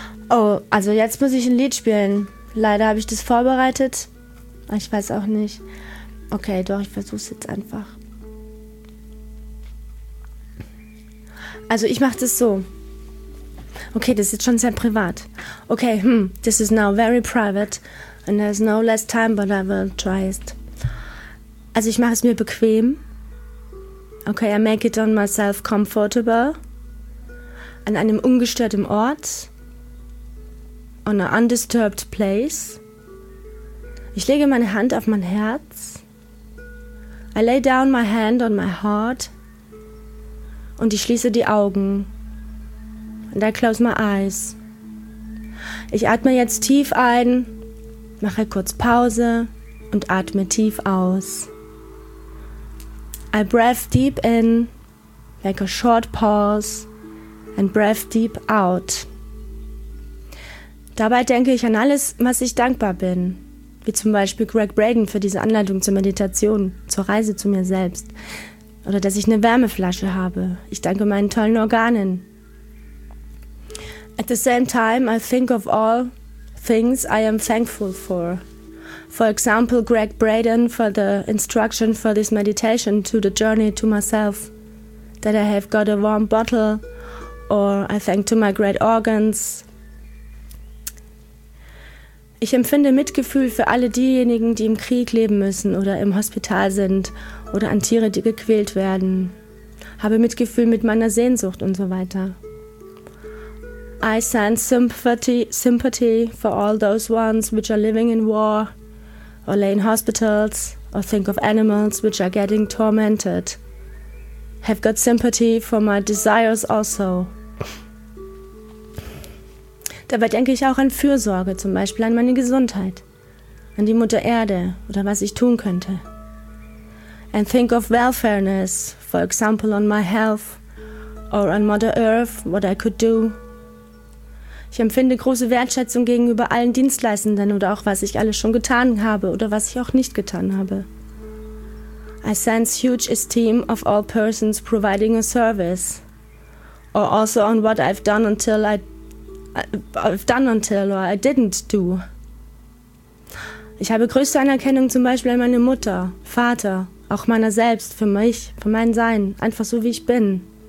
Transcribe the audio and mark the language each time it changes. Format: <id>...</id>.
<de>Oh, also jetzt muss ich ein Lied spielen. Leider habe ich das vorbereitet. Ich weiß auch nicht. Okay, doch, ich versuch's jetzt einfach. Also ich mache das so. Okay, das ist schon sehr privat.</de> <en>Okay, this is now very private. And there's no less time, but I will try it.</en> <de>Also ich mache es mir bequem.</de> <en>Okay, I make it on myself comfortable.</en> <de>An einem ungestörten Ort.</de> <en>On an undisturbed place.</en> <de>Ich lege meine Hand auf mein Herz.</de> <en>I lay down my hand on my heart.</en> <de>Und ich schließe die Augen.</de> <en>And I close my eyes.</en> <de>Ich atme jetzt tief ein, mache kurz Pause und atme tief aus.</de> <en>I breathe deep in, make a short pause, and breathe deep out.</en> <de>Dabei denke ich an alles, was ich dankbar bin, wie zum Beispiel Greg Braden für diese Anleitung zur Meditation, zur Reise zu mir selbst, oder dass ich eine Wärmeflasche habe. Ich danke meinen tollen Organen.</de> <en>At the same time, I think of all things I am thankful for. For example, Greg Braden for the instruction for this meditation to the journey to myself. That I have got a warm bottle, or I thank to my great organs.</en> <de>Ich empfinde Mitgefühl für alle diejenigen, die im Krieg leben müssen oder im Hospital sind oder an Tiere, die gequält werden. Habe Mitgefühl mit meiner Sehnsucht und so weiter.</de> <en>I send sympathy for all those ones which are living in war, or lay in hospitals, or think of animals which are getting tormented. Have got sympathy for my desires also.</en> <de>Dabei denke ich auch an Fürsorge, zum Beispiel an meine Gesundheit, an die Mutter Erde oder was ich tun könnte.</de> <en>And think of welfareness, for example on my health, or on Mother Earth, what I could do.</en> <de>Ich empfinde große Wertschätzung gegenüber allen Dienstleistenden oder auch was ich alles schon getan habe oder was ich auch nicht getan habe.</de> <en>I sense huge esteem of all persons providing a service. Or also on what I've done until I didn't do.</en> <de>Ich habe größte Anerkennung zum Beispiel an meine Mutter, Vater, auch meiner selbst, für mich, für mein Sein, einfach so wie ich bin.</de>